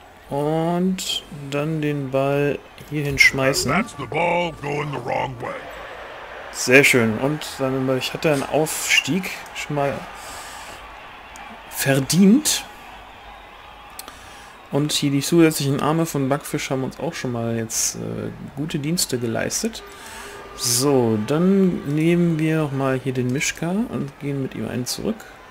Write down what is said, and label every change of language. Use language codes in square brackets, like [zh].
[de] Und dann den Ball hierhin schmeißen. [en] That's the ball going the wrong way. [de] Sehr schön. Und dann, ich hatte einen Aufstieg schon mal verdient. Und hier die zusätzlichen Arme von Backfisch haben uns auch schon mal jetzt gute Dienste geleistet. So, dann nehmen wir noch mal hier den Mischka und gehen mit ihm einen zurück.